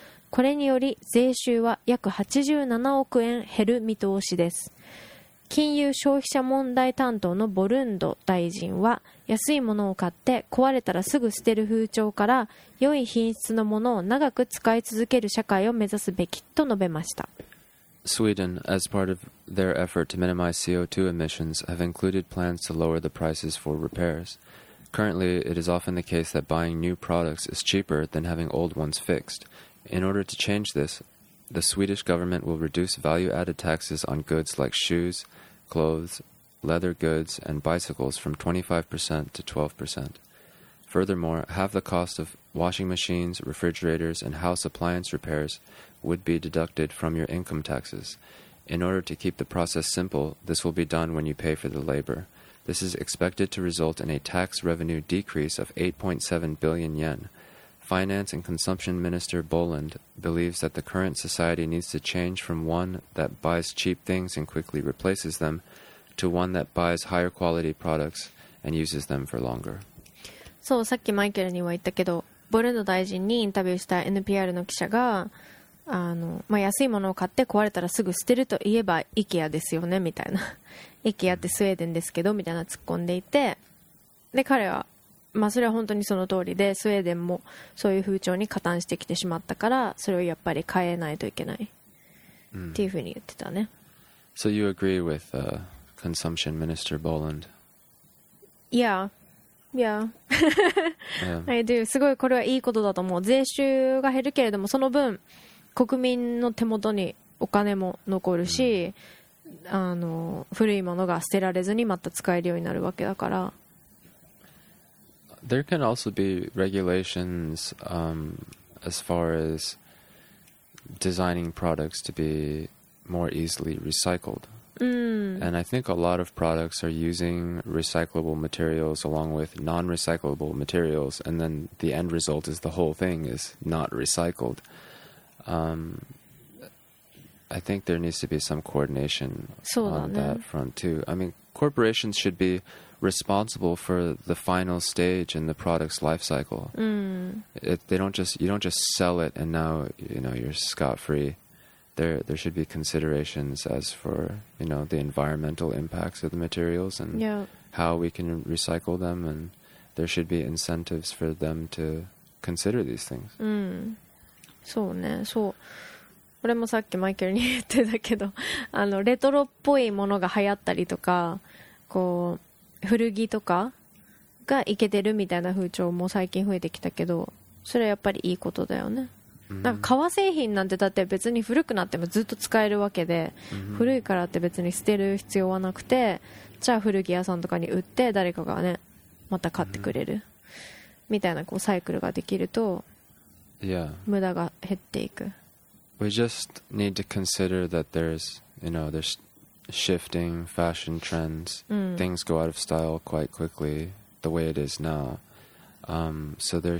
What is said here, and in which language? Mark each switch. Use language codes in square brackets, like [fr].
[ja] これにより税収は約87億円減る見通しです。金融消費者問題担当のボルンド大臣は、安いものを買って壊れたらすぐ捨てる風潮から良い品質のものを長く使い続ける社会を目指すべきと述べました。 [en] Sweden, as part of their effort to minimize CO2 emissions, have included plans to lower the prices for repairs. Currently, it is often the case that buying new products is cheaper than having old ones fixed. In order to change this,The Swedish government will reduce value-added taxes on goods like shoes, clothes, leather goods, and bicycles from 25% to 12%. Furthermore, half the cost of washing machines, refrigerators, and house appliance repairs would be deducted from your income taxes. In order to keep the process simple, this will be done when you pay for the labor. This is expected to result in a tax revenue decrease of 8.7 billion yen. Finance and Consumption Minister Boland believes that the current society needs to change from one that buys cheap things and quickly replaces them to one that buys higher quality products and uses them for longer. [ja] そう、さっきマイケルには言ったけど、ボルンド大臣にインタビューした NPR の記者が、あの、まあ、安いものを買って壊れたらすぐ捨てると言えば IKEA ですよねみたいな、IKEA ってスウェーデンですけどみたいな突っ込んでいて、で彼はまあ、それは本当にその通りで、スウェーデンもそういう風潮に加担してきてしまったから、それをやっぱり変えないといけない。っていうふうに言ってたね。 [en] So you agree with、Consumption Minister Boland? Yeah. Yeah. I do. [ja] すごいこれはいいことだと思う。税収が減るけれども、その分国民の手元にお金も残るし、あの古いものが捨てられずにまた使えるようになるわけだから。 [en] There can also be regulations、as far as designing products to be more easily recycled.、And I think a lot of products are using recyclable materials along with non-recyclable materials, and then the end result is the whole thing is not recycled.、I think there needs to be some coordination on that front too. I mean, corporations should be... responsible for the final stage in the product's life cycle.、You don't just sell it and now you know, you're scot-free. There should be considerations as for you know, the environmental impacts of the materials and、how we can recycle them, and there should be incentives for them to consider these things.、 [ja] そうね、そう。俺もさっきマイケルに言ってたけど、あのレトロっぽいものが流行ったりとか、こう古着とかがイケてるみたいな風潮も最近増えてきたけど、それはやっぱりいいことだよね。なんか革製品なんてだって別に古くなってもずっと使えるわけで、古いからって別に捨てる必要はなくて、じゃあ古着屋さんとかに売って誰かがねまた買ってくれるみたいなこうサイクルができると無駄が減っていく。 [en] We just need to consider that there's you know there'sShifting fashion trends,、things go out of style quite quickly the way it is now.、so